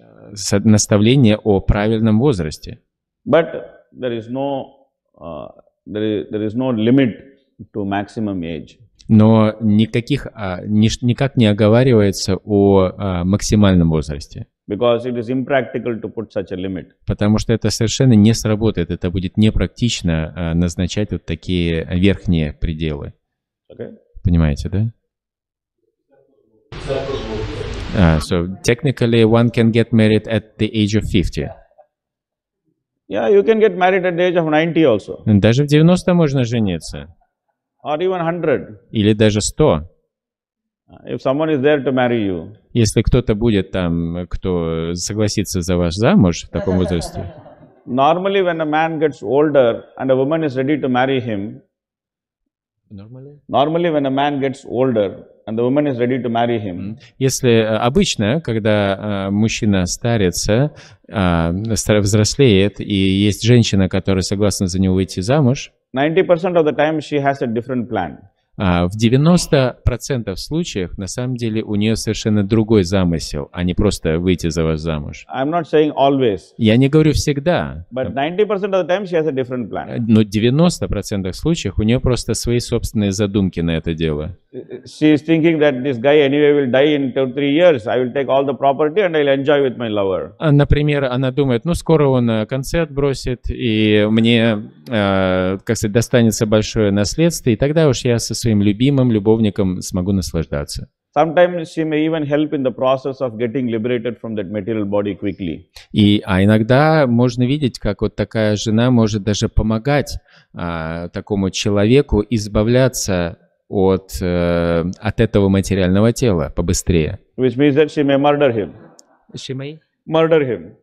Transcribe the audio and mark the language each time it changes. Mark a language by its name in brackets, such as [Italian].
[Russian] Есть наставление о правильном возрасте. [English] But there is no limit to maximum age. [Russian] Но никак не оговаривается о максимальном возрасте. [English] Because it is impractical to put such a limit. [Russian] Потому что это совершенно не сработает, это будет непрактично назначать вот такие верхние пределы. [English] Okay. [Russian] Понимаете, да? [English] So technically one can get married at the age of 50. Yeah, you can get married at the age of 90 also. [Russian] Даже в 90 можно жениться. [English] or even 100. [Russian] Или даже 100. [English] If someone is there to marry you. [Russian] Если кто-то будет там, кто согласится за вас замуж в таком возрасте. [English] Normally, when a man gets older and a woman is ready to marry him. Normally, when a man gets older and the woman is ready to marry him. [Russian] Если обычно, когда мужчина старится, взрослеет, и есть женщина, которая согласна за него выйти замуж. [English] 90% of the time she has a different plan. [Russian] В 90% случаев, на самом деле, у нее совершенно другой замысел, а не просто выйти за вас замуж. [English] I'm not saying always. [Russian] Я не говорю всегда. [English] But 90% of the time she has a different plan. [Russian] Но 90% случаев у нее просто свои собственные задумки на это дело. [English] She is thinking that this guy anyway will die in 2-3 years. I will take all the property and I'll enjoy with my lover. [Russian] Например, она думает, ну скоро он концы отбросит, и мне, как сказать, достанется большое наследство, и тогда уж я со своим любимым любовником смогу наслаждаться. [English] Sometimes she may even help in the process of getting liberated from that material body quickly. [Russian] И, а иногда можно видеть, как вот такая жена может даже помогать такому человеку избавляться от этого материального тела побыстрее. [English] Which means that she may murder him. She may? Murder him.